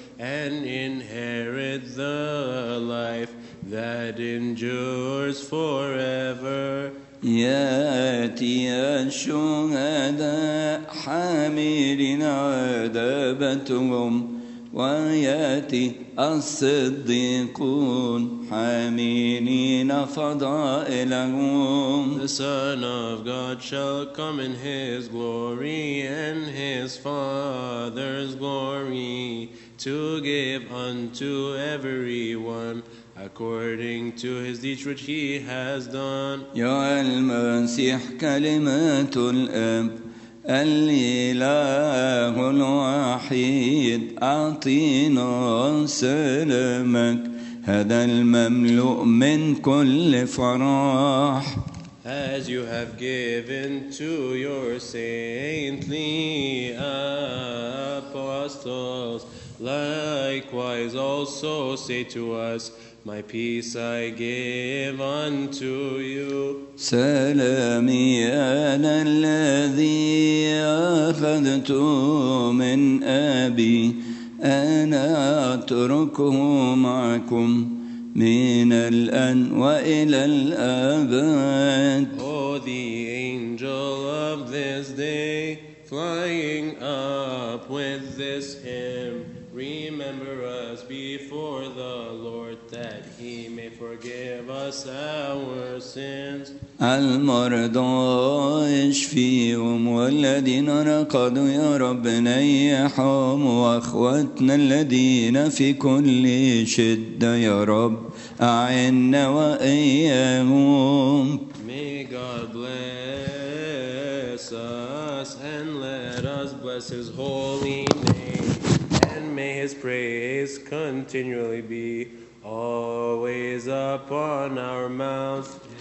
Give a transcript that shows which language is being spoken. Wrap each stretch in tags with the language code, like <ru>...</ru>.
<en>and inherit the life that endures forever.</en> <ar>ياتي الشهداء حاملين عذابتهم وياتي الصديقون حاملين فضائلهم.</ar> <en>The Son of God shall come in His glory and His Father's glory to give unto everyone according to his deeds which he has done.</en> <ar>يا المسيح كلمة الأب الإله الوحيد أعطينا سلامك هذا المملوء من كل فرح.</ar> <en>As you have given to your saintly apostles, likewise also say to us, my peace I give unto you.</en> <ar>سلامي أنا الذي أخذت من أبي أنا أتركه معكم من الآن وإلى الأبد.</ar> <en>Oh, the angel of this day, flying up with this hymn, remember us before the Lord that he may forgive us our sins.</en> <ar>المرضى اشفيهم والذين رقدوا يا رب نيحهم واخواتنا الذين في كل شده يا رب اعنا واياهم.</ar> <en>May God bless us and let us bless his holy May his praise continually be always upon our mouth.</en>